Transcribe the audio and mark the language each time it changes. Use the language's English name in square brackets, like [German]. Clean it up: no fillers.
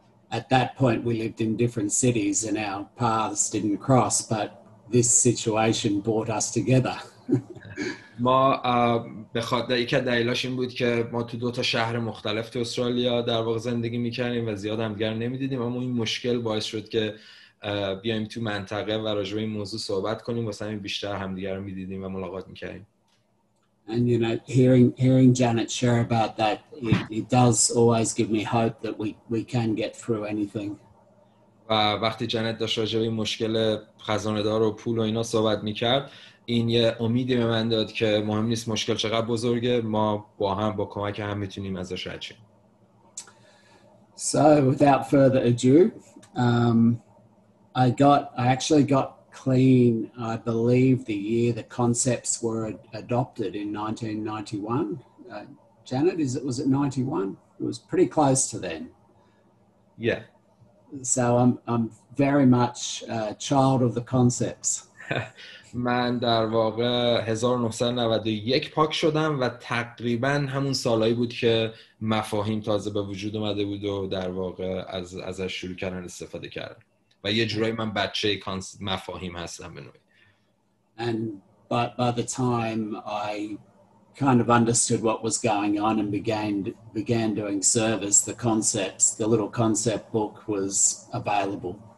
[English] At that point, we lived in different cities and our paths didn't cross, but this situation brought us together. [Persian] ما به خاطر یک دلیلش این بود که ما تو دو تا شهر مختلف تو استرالیا در واقع زندگی میکردیم و زیاد همدیگر نمیدیدیم، اما این مشکل باعث شد که بیایم تو منطقه و راجع به این موضوع صحبت کنیم، واسه همین بیشتر همدیگر میدیدیم و ملاقات میکردیم. [English] And you know, hearing Janet share about that, it does always give me hope that we can get through anything. [Persian] و وقتی جنت داشت راجع به مشکل خزانه‌دار و پول و اینا صحبت می‌کرد، این یه امیدی به من داد که مهم نیست مشکل چقدر بزرگه، ما با هم با کمک هم میتونیم ازش رد شیم. [English] So without further ado, I actually got clean, I believe, the year the concepts were adopted in 1991. Janet, was it 91? It was pretty close to then. Yeah. So I'm very much a child of the concepts. [Persian] من در واقع 1991 پاک شدم و تقریبا همون سالایی بود که مفاهیم تازه به وجود اومده بود و در واقع ازش شروع کردن استفاده کردن. و یه جورایی من بچه مفاهیم هستم به نوعی. [English] And by the time I kind of understood what was going on and began doing service, the concepts, the little concept book was available.